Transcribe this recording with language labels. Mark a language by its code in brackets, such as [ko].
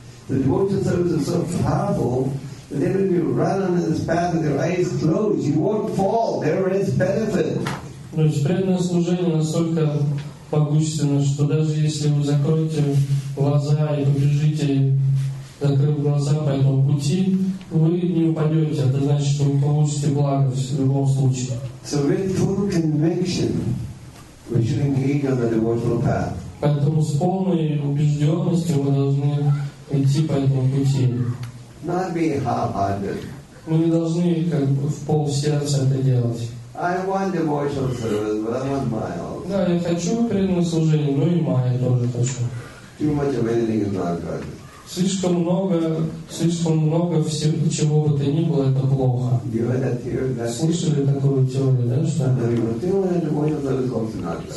[en] The devotional service is so powerful that even if you run on this path with your eyes closed, you won't fall. There is benefit. [ru] То есть преданное служение настолько могущественно, что даже если вы закроете глаза и побежите, закрыв глаза по этому пути, вы не упадете. Это значит, что вы получите благо в любом случае. [en] So with full conviction, we should engage on the devotional path. [ru] Поэтому с полной убежденностью мы должны идти по этому пути. [en] Not be half-hearted. [ru] Мы не должны как бы в полсердца это делать. [en] I want devotional service, but I want my own. [ru] Да, я хочу преданное служение, но и мое тоже хочу. [en] Too much of anything is not good. [ru] Слишком много всего, чего бы то ни было, это плохо. Слышали такую теорию, да, что?